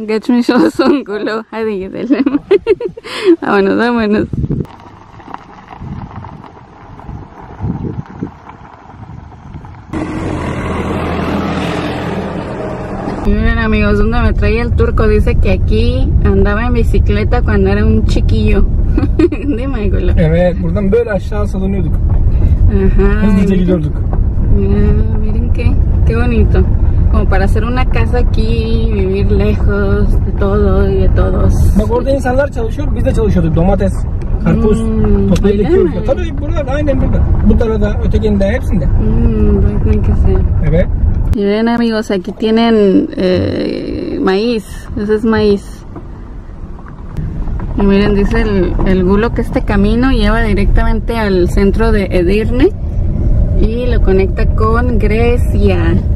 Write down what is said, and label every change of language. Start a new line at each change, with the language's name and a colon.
Spanish: Gachmichos un gulo. Adiós. Vámonos, vámonos. Miren, amigos, donde me traía el turco. Dice que aquí andaba en bicicleta cuando era un chiquillo.
Turkish: Değil mi Aygül? Evet, buradan böyle aşağı salınıyorduk. Hızlıca gidiyorduk.
Spanish: Miren que, qué bonito. Como para hacer una casa aquí, vivir lejos de todo y de todos.
Turkish: Bak orada insanlar çalışıyor, biz de çalışıyorduk. Domates, karpuz, toplayı dikiyorduk. Tabii burada, aynen burada. Bu tarafta, ötekinde, hepsinde. Bakın ki sen. Evet.
Spanish: Miren amigos, aquí tienen maíz. Eso es maíz. Y miren, dice el gulo que este camino lleva directamente al centro de Edirne y lo conecta con Grecia.